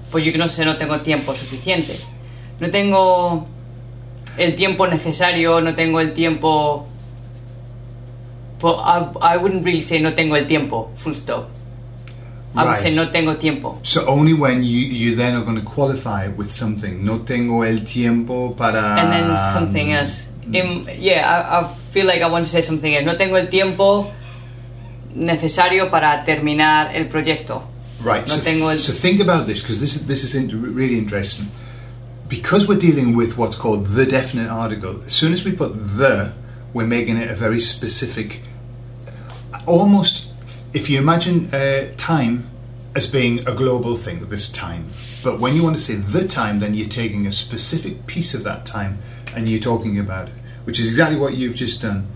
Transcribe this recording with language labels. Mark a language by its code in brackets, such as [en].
[es] Pues yo que no sé. No tengo tiempo suficiente. No tengo el tiempo necesario. No tengo el tiempo. [en] But I wouldn't really say [es] no tengo el tiempo. [en] Full stop. Right. I would say [es] no tengo tiempo. [en] So only when you then are going to qualify with something. [es] No tengo el tiempo para. [en] And then something else. I feel like I want to say something else. [es] No tengo el tiempo necesario para terminar el proyecto. [en] Right. [es] No [en] so, [es] tengo el... [en] so think about this, because this is really interesting. Because we're dealing with what's called the definite article, as soon as we put the, we're making it a very specific, almost. If you imagine time as being a global thing, this time, but when you want to say the time, then you're taking a specific piece of that time and you're talking about it, which is exactly what you've just done.